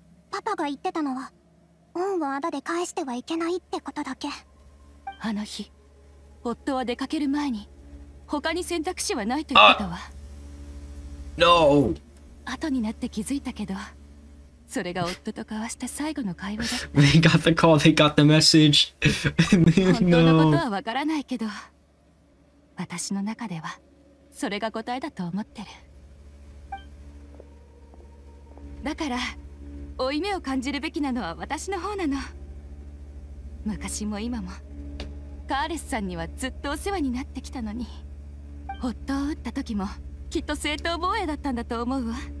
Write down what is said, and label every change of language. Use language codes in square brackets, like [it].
[ja] Papa が言ってたのは、恩をあだで返してはいけないってことだけ。あの日、夫は出かける前に、他に選択肢はないと言ってたわ。 [en] No! [ja] 後になって気づいたけど、それが夫と交わした最後の会話だ。 [en] They got the call, they got the message. [ja] 本当のことはわからないけど、私の中ではそれが答えだと思ってる。だから、負い目を感じるべきなのは私の方なの。昔も今も、カーレスさんにはずっとお世話になってきたのに、夫を撃った時もきっと正当防衛だったんだと思うわ。